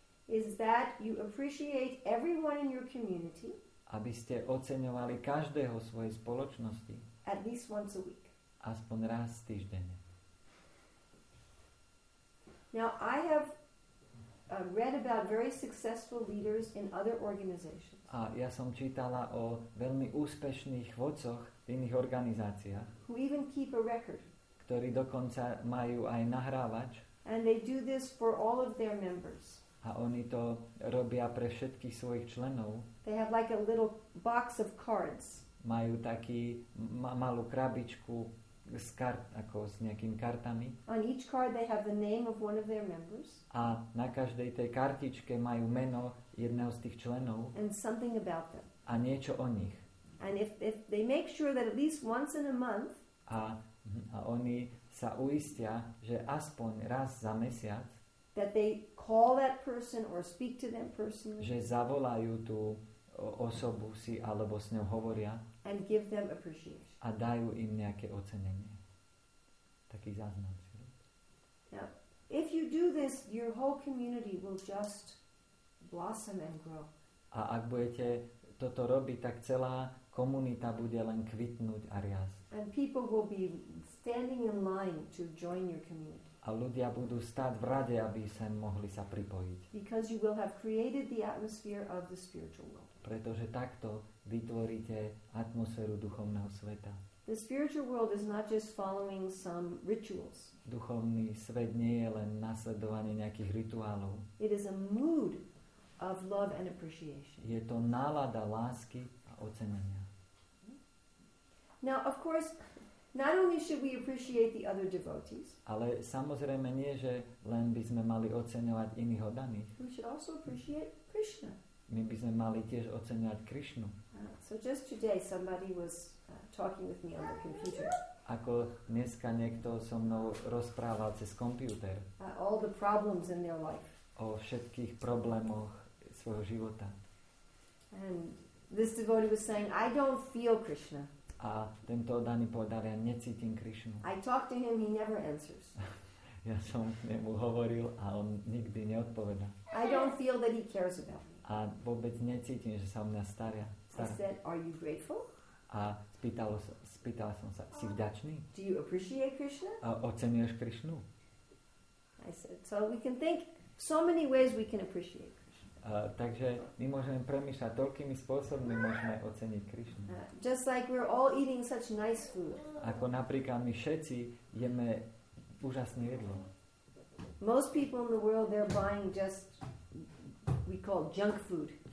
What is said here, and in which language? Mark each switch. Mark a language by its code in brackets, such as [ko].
[en] is that you appreciate everyone in your community, [sk] aby ste oceňovali každého svojej spoločnosti [en] at least once a week. [sk] Aspoň raz týždenne. [en] Now I have read about very successful leaders in other organizations. [sk] A ja som čítala o veľmi úspešných vodcoch v iných organizáciách. [en] Who even keep a record. [sk] Ktorí dokonca majú aj nahrávač. [en] And they do this for all of their members. [sk] A oni to robia pre všetkých svojich členov. [en] They have like a little box of cards. [sk] Majú taký malú krabičku s kart, ako s nejakými kartami. [en] On each card they have the name of one of their members. [sk] A na každej tej kartičke majú meno jedného z tých členov. [en] And something about them. [sk] A niečo o nich. [en] And if they make sure that at least once in a month. [sk] A oni sa uistia, že aspoň raz za mesiac. [en] That they call that person or speak to them personally. [sk] Že zavolajú tú osobu si alebo s ňou hovoria. [en] And give them appreciation. [sk] A dajú im nejaké ocenenie. Taký záznam. [en] Now, if you do this, your whole community will just blossom and grow. [sk] A ak budete toto robiť, tak celá komunita bude len kvitnúť a riasť. [en] And people will be standing in line to join your community. [sk] A ľudia budú stáť v rade, aby sem mohli sa pripojiť. [en] Because you will have created the atmosphere of the spiritual world. [sk] Pretože takto vytvoríte atmosféru duchovného sveta. [en] The spiritual world is not just following some rituals. [sk] Duchovný svet nie je len nasledovanie nejakých rituálov. [en] It is a mood of love and appreciation. [sk] Je to nálada lásky a ocenenia. [en] Now, of course, not only should we appreciate the other devotees. [sk] Ale samozrejme nie, že len by sme mali oceňovať iných oddaných. [en] We should also appreciate Krishna. [sk] My by sme mali tiež oceňovať Krišnu. [en] So just today somebody was talking with me on the computer. [sk] Ako dneska niekto so mnou rozprával cez komputer. [en] All the problems in their life. [sk] O všetkých problémoch svojho života. [en] And this devotee was saying, I don't feel Krishna. [sk] A tento oddaný povedal, ja necítim Krišnu. [en] I talk to him, he never answers. [sk] Ja som k nemu hovoril a on nikdy neodpovedá. [en] I don't feel that he cares about me. [sk] A vôbec necítim, že sa o mňa stará. [en] I said, are you grateful? [sk] A spýtal som sa, si vďačný? [en] Do you appreciate Krishna? [sk] A oceňuješ Krishnu? [en] I said, so we can think so many ways we can appreciate Krishna. [sk] Takže my môžeme premýšľať, toľkými spôsobmi môžeme oceniť Krishnu. [en] Just like we're all eating such nice food. [sk] Ako napríklad my všetci jeme úžasné jedlo. [en] Most people in the world, they're buying just we call junk food.